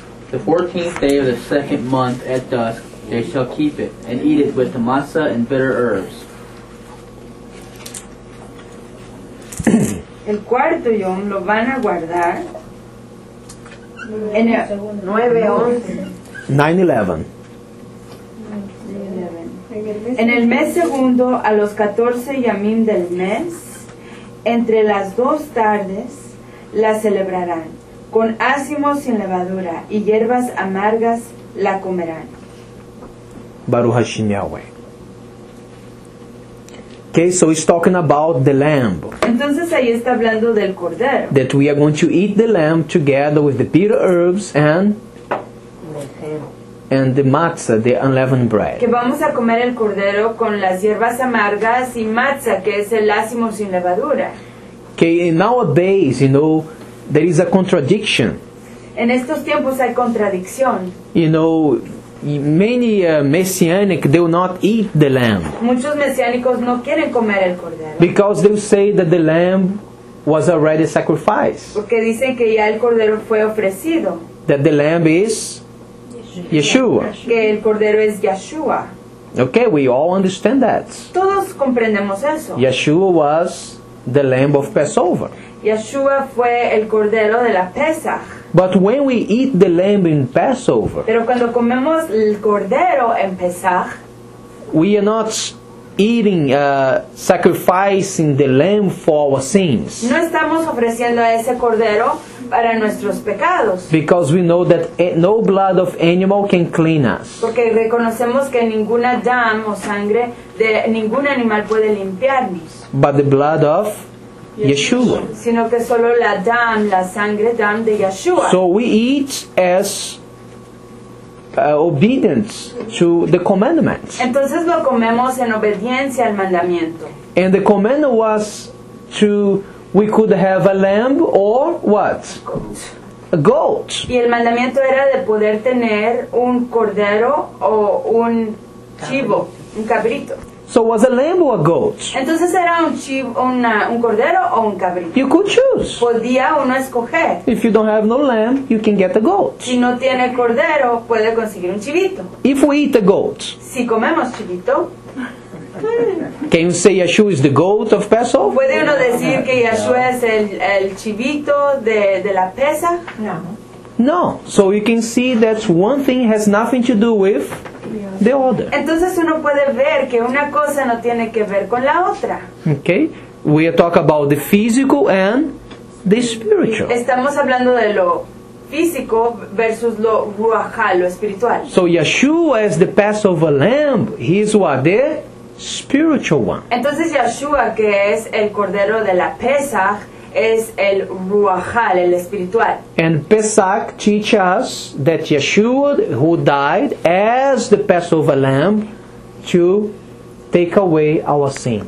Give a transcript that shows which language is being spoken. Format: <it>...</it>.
<en>The 14th day of the second month at dusk they shall keep it and eat it with the matzah and bitter herbs.</en> <es>El cuarto yom lo van a guardar en el 9-11. En el mes segundo, a los 14 yamim del mes, entre las dos tardes, la celebrarán. Con ácimo sin levadura y hierbas amargas la comerán.</es> <he>Baruch Hashem Yahweh.</he> <en>Okay, so it's talking about the lamb.</en> <es>Entonces ahí está hablando del cordero.</es> <en>That we are going to eat the lamb together with the bitter herbs and the matzah, the unleavened bread.</en> <es>Que vamos a comer el cordero con las hierbas amargas y matzah, que es el ácimo sin levadura.</es> <en>Okay, in nowadays, you know, there is a contradiction.</en> <es>En estos tiempos hay contradicción.</es> <en>You know, many messianic do not eat the lamb.</en> <es>Muchos mesiánicos no quieren comer el cordero.</es> <en>Because they say that the lamb was already sacrificed.</en> <es>Porque dicen que ya el cordero fue ofrecido.</es> <en>That the lamb is Yeshua.</en> <es>Que el cordero es Yeshua.</es> <en>Okay, we all understand that.</en> <es>Todos comprendemos eso.</es> <en>Yeshua was the lamb of Passover.</en> <es>Yeshua fue el cordero de la Pesach.</es> <en>But when we eat the lamb in Passover,</en> <es>pero cuando comemos el cordero en Pesach,</es> <en>we are not eating, sacrificing the lamb for our sins.</en> <es>No estamos ofreciendo a ese cordero para nuestros pecados.</es> <en>Because we know that no blood of animal can clean us.</en> <es>Porque reconocemos que ninguna dam o sangre de ningún animal puede limpiarnos.</es> <en>But the blood of Yeshua.</en> <es>Sino que solo la dam, la sangre dam de Yeshua.</es> <en>So we eat as obedient to the commandments.</en> <es>Entonces lo comemos en obediencia al mandamiento.</es> <en>And the command was to, we could have a lamb or what? A goat.</en> <es>Y el mandamiento era de poder tener un cordero o un chivo, un cabrito.</es> <en>So was a lamb or a goat?</en> <es>Entonces era un chivo, un cordero o un cabrito.</es> <en>You could choose.</en> <es>Podía uno escoger.</es> <en>If you don't have no lamb, you can get a goat.</en> <es>Si no tiene cordero, puede conseguir un chivito.</es> <en>If we eat a goat.</en> <es>Si comemos chivito.</es> <en>Can you say Yeshua is the goat of Passover?</en> <es>¿Puede uno decir que Yeshua es el chivito de la pesa?</es> <en>No. No. So you can see that one thing has nothing to do with the other.</en> <es>Entonces uno puede ver que una cosa no tiene que ver con la otra.</es> <en>Okay, we talk about the physical and the spiritual.</en> <es>Estamos hablando de lo físico versus lo ruajá, lo espiritual.</es> <en>So Yeshua is the Passover lamb. He is what? The spiritual one.</en> <es>Entonces Yeshua, que es el cordero de la Pesach, es el ruajá, el espiritual.</es> <en>And Pesach teaches us that Yeshua, who died as the Passover lamb, to take away our sins.</en>